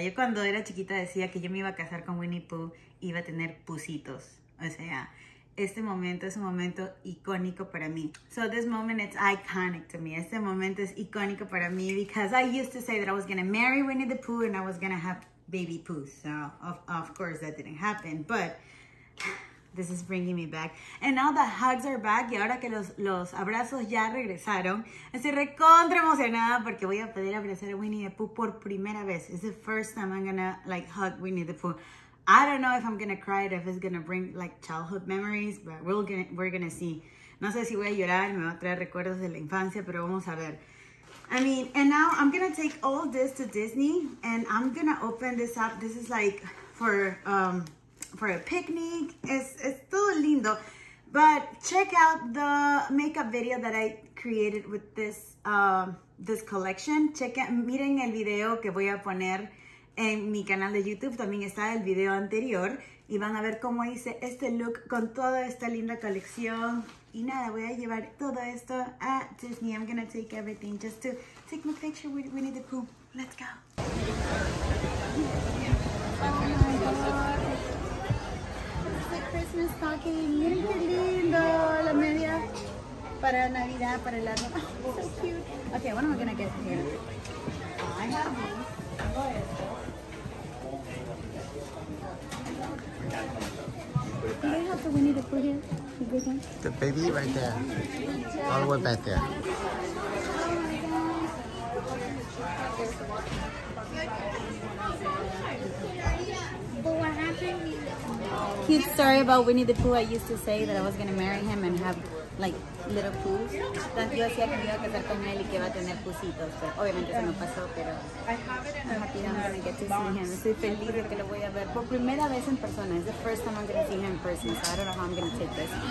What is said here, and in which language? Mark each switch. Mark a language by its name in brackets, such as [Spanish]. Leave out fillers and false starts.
[Spanish] Yo cuando era chiquita decía que yo me iba a casar con Winnie Pooh, iba a tener pusitos. O sea, este momento es un momento icónico para mí. [English] So this moment it's iconic to me. [Spanish] Este momento es icónico para mí [English] because I used to say that I was going to marry Winnie the Pooh and I was going to have baby Pooh. So of course that didn't happen, but this is bringing me back. And now the hugs are back. [Spanish] Y ahora que los abrazos ya regresaron, estoy recontra emocionada porque voy a poder abrazar a Winnie the Pooh por primera vez. [English] It's the first time I'm gonna like hug Winnie the Pooh. I don't know if I'm gonna cry, if it's gonna bring like childhood memories, but we're gonna see. [Spanish] No sé si voy a llorar, me va a traer recuerdos de la infancia, pero vamos a ver. [English] I mean, and now I'm gonna take all this to Disney and I'm gonna open this up. This is like for a picnic. It's [Spanish] todo lindo, [English] but check out the makeup video that I created with this this collection. Check out, [Spanish] miren el video que voy a poner en mi canal de YouTube. También está el video anterior y van a ver cómo hice este look con toda esta linda colección. Y nada, voy a llevar todo esto a Disney. [English] I'm gonna take everything just to take my picture with Winnie the Pooh. Let's go. Christmas stocking. [Spanish] Miren qué lindo. La media para Navidad, para el año. [English] Oh, so cute. Okay, what am I gonna get here? I have these. Do they have the Winnie the Pooh here? The baby right there. All the way back there. Oh my god. Good Christmas cute story about Winnie the Pooh. I used to say that I was going to marry him and have like little poos. [Spanish] Yo hacía que me iba a casar con él y que iba a tener pusitos, pero obviamente eso no pasó, pero [English] I'm happy that I'm going to get to see him. [Spanish] Estoy feliz de que lo voy a ver por primera vez en persona. [English] It's the first time I'm going to see him in person, so I don't know how I'm going to take this.